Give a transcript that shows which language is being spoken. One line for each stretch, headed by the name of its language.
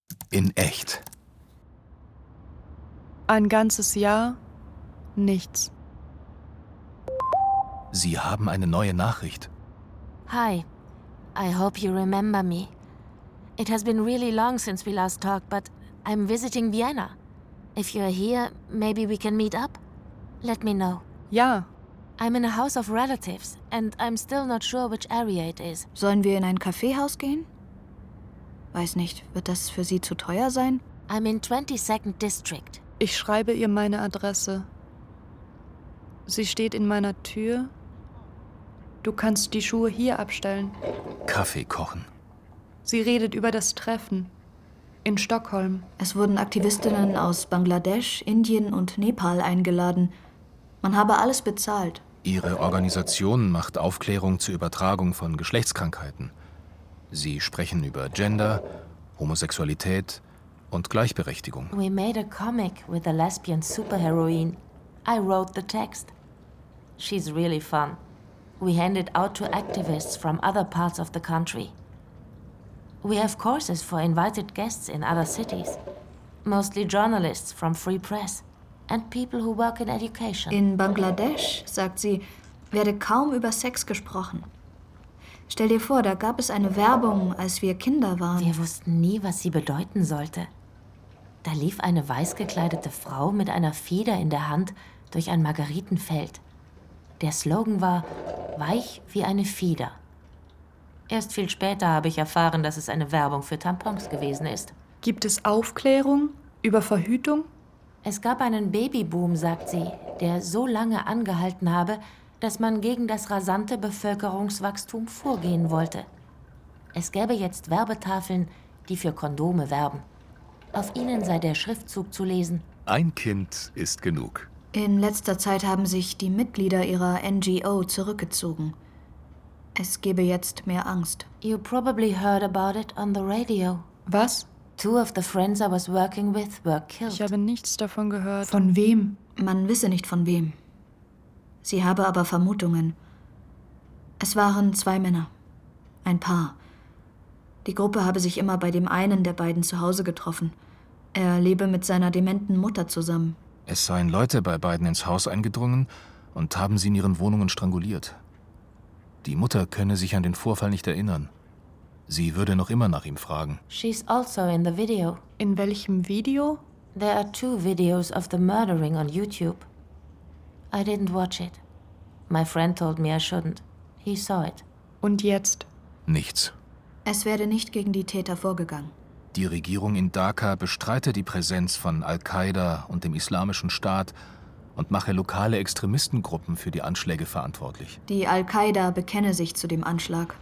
German: In echt. Ein ganzes Jahr, nichts. Sie haben eine neue Nachricht.
English: Hi, I hope you remember me. It has been really long since we last talked, but I'm visiting Vienna. If you're here, maybe we can meet up? Let me know.
German: Ja.
English: I'm in a house of relatives and I'm still not sure which area it is.
German: Sollen wir in ein Kaffeehaus gehen? Weiß nicht, wird das für Sie zu teuer sein?
English: I'm in 22nd District.
German: Ich schreibe ihr meine Adresse. Sie steht in meiner Tür. Du kannst die Schuhe hier abstellen. Kaffee kochen. Sie redet über das Treffen in Stockholm. Es wurden Aktivistinnen aus Bangladesch, Indien und Nepal eingeladen. Man habe alles bezahlt. Ihre Organisation macht Aufklärung zur Übertragung von Geschlechtskrankheiten. Sie sprechen über Gender, Homosexualität und Gleichberechtigung.
English: We made a comic with a lesbian superheroine. I wrote the text. She's really fun. We hand it out to activists from other parts of the country. We have courses for invited guests in other cities. Mostly journalists from Free Press and people who work in education.
German: In Bangladesch, sagt sie, werde kaum über Sex gesprochen. Stell dir vor, da gab es eine Werbung, als wir Kinder waren. Wir wussten nie, was sie bedeuten sollte. Da lief eine weiß gekleidete Frau mit einer Feder in der Hand durch ein Margaritenfeld. Der Slogan war, weich wie eine Feder. Erst viel später habe ich erfahren, dass es eine Werbung für Tampons gewesen ist. Gibt es Aufklärung über Verhütung? Es gab einen Babyboom, sagt sie, der so lange angehalten habe, dass man gegen das rasante Bevölkerungswachstum vorgehen wollte. Es gäbe jetzt Werbetafeln, die für Kondome werben. Auf ihnen sei der Schriftzug zu lesen. Ein Kind ist genug. In letzter Zeit haben sich die Mitglieder ihrer NGO zurückgezogen. Es gäbe jetzt mehr Angst.
English: You probably heard about it on the radio.
German: Was?
English: Two of the friends I was working with were killed.
German: Ich habe nichts davon gehört. Von wem? Man wisse nicht von wem. Sie habe aber Vermutungen. Es waren zwei Männer. Ein Paar. Die Gruppe habe sich immer bei dem einen der beiden zu Hause getroffen. Er lebe mit seiner dementen Mutter zusammen. Es seien Leute bei beiden ins Haus eingedrungen und haben sie in ihren Wohnungen stranguliert. Die Mutter könne sich an den Vorfall nicht erinnern. Sie würde noch immer nach ihm fragen.
English: She's also in the video.
German: In welchem Video?
English: There are two videos of the murdering on YouTube. I didn't watch it. My friend told me I shouldn't. He saw it.
German: Und jetzt? Nichts. Es werde nicht gegen die Täter vorgegangen. Die Regierung in Dhaka bestreite die Präsenz von Al-Qaida und dem Islamischen Staat und mache lokale Extremistengruppen für die Anschläge verantwortlich. Die Al-Qaida bekenne sich zu dem Anschlag.